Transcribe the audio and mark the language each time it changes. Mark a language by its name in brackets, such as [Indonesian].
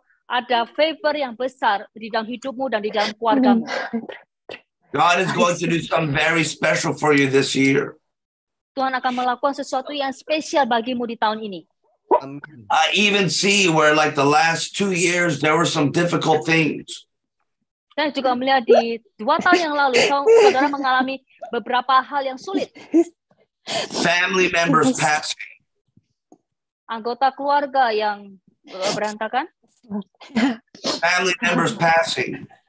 [Indonesian] Ada favor yang besar di dalam hidupmu dan di dalam keluargamu. [English] God is going to do something very special for you this year. [Indonesian] Tuhan akan melakukan sesuatu yang spesial bagimu di tahun ini. [English] I even see where like the last 2 years there were some difficult things. [Indonesian] Dan juga melihat di 2 tahun yang lalu saudara mengalami beberapa hal yang sulit. [English] Family members passing. [Indonesian] Anggota keluarga yang berantakan. [English] Family members passing.